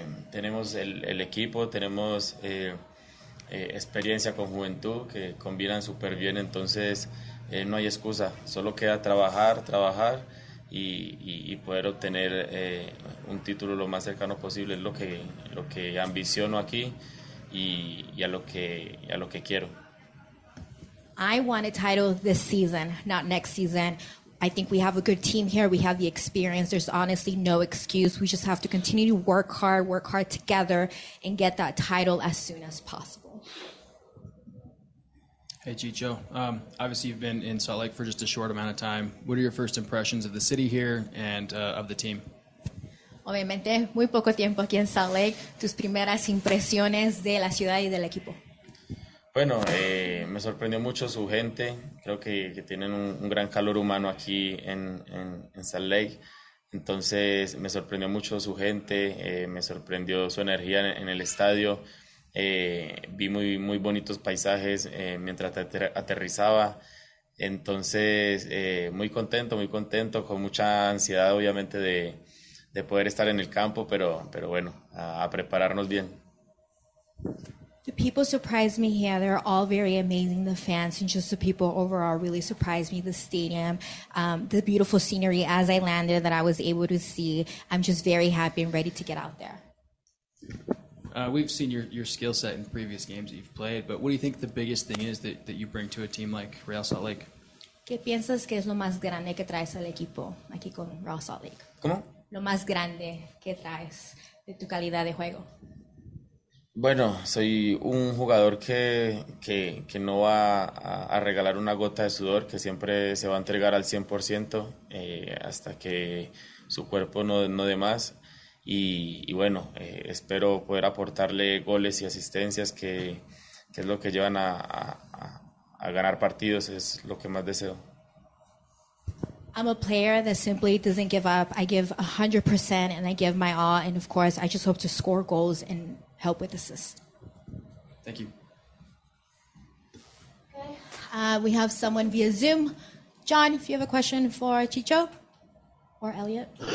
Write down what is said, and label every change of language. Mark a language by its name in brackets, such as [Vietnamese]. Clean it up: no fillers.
[Spanish] Tenemos el equipo, tenemos experiencia con juventud que combinan súper bien, entonces no hay excusa, solo queda trabajar y poder obtener un título lo más cercano posible. Es lo que ambiciono aquí y a lo que quiero. [English] I want a title this season, not next season. I think we have a good team here. We have the experience. There's honestly no excuse. We just have to continue to work hard together and get that title as soon as possible. Hey, Chicho. Obviously, you've been in Salt Lake for just a short amount of time. What are your first impressions of the city here and of the team? [Spanish] Obviamente, muy poco tiempo aquí en Salt Lake. Tus primeras impresiones de la ciudad y del equipo. Bueno, me sorprendió mucho su gente. Creo que tienen un gran calor humano aquí en Salt Lake. Entonces, me sorprendió mucho su gente. Me sorprendió su energía en el estadio. Vi muy muy bonitos paisajes mientras aterrizaba, entonces muy contento, con mucha ansiedad obviamente de poder estar en el campo, pero bueno, a prepararnos bien. [English] The people surprised me here. They're all very amazing. The fans and just the people overall really surprised me. The stadium, the beautiful scenery as I landed that I was able to see. I'm just very happy and ready to get out there. We've seen your skill set in previous games that you've played, but what do you think the biggest thing is that you bring to a team like Real Salt Lake? [Spanish] ¿Qué piensas que es lo más grande que traes al equipo aquí con Real Salt Lake? ¿Cómo? Lo más grande que traes de tu calidad de juego. Bueno, soy un jugador que no va a regalar una gota de sudor, que siempre se va a entregar al 100% hasta que su cuerpo no dé más. Y bueno, espero poder aportarle goles y asistencias que es lo que llevan a ganar partidos, es lo que más deseo. [English] I'm a player that simply doesn't give up. I give 100% and I give my all, and of course I just hope to score goals and help with assists. Thank you. Okay. We have someone via Zoom. John, if you have a question for Chicho or Elliot.